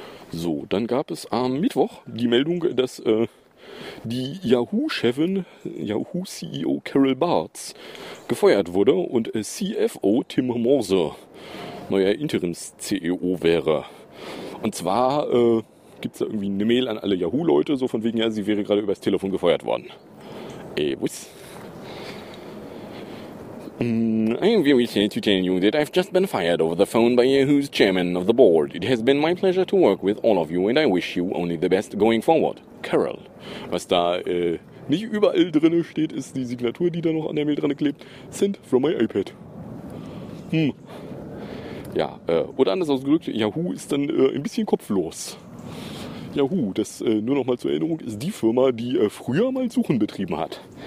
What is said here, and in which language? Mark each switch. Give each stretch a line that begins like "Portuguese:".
German: So, dann gab es am Mittwoch die Meldung, dass die Yahoo-Chefin, Yahoo-CEO Carol Bartz, gefeuert wurde und CFO Tim Moser neuer Interims-CEO wäre. Und zwar gibt es da irgendwie eine Mail an alle Yahoo-Leute, so von wegen, ja, sie wäre gerade übers Telefon gefeuert worden.
English: I'm very sad to tell you that I've just been fired over the phone by Yahoo's chairman of the board. It has been my pleasure to work with all of you and I wish you only the best going forward. Carol.
German: Was da nicht überall drin steht, ist die Signatur, die da noch an der Mail dran klebt.
English: Sent from my iPad.
German: Ja, oder anders ausgedrückt, Yahoo ist dann ein bisschen kopflos. Yahoo, das nur noch mal zur Erinnerung, ist die Firma, die früher mal Suchen betrieben hat.